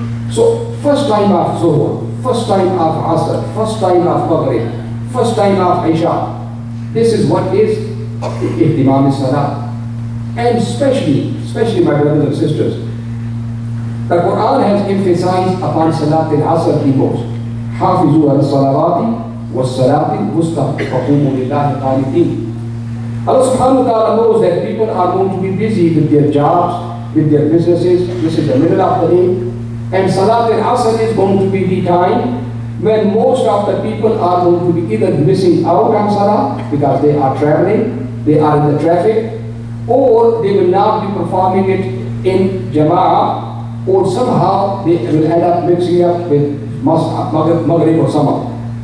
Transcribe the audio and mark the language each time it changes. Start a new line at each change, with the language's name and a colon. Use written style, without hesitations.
English: So first time of zuhur, first time of asr, first time of maghrib, first time of isha. This is what is ihtimam salah. And especially my brothers and sisters, the Quran has emphasized upon Salat al-Asr the most.
Arabic: حافظوا على الصلوات والصلاة الوسطى فقوموا لله قانتين.
English: Allah subhanahu wa ta'ala knows that people are going to be busy with their jobs, with their businesses. This is the middle of the day. And Salat al-Asr is going to be the time when most of the people are going to be either missing out on Salah because they are traveling, they are in the traffic, or they will not be performing it in Jama'ah, or somehow they will end up mixing up with Maghrib or Samar.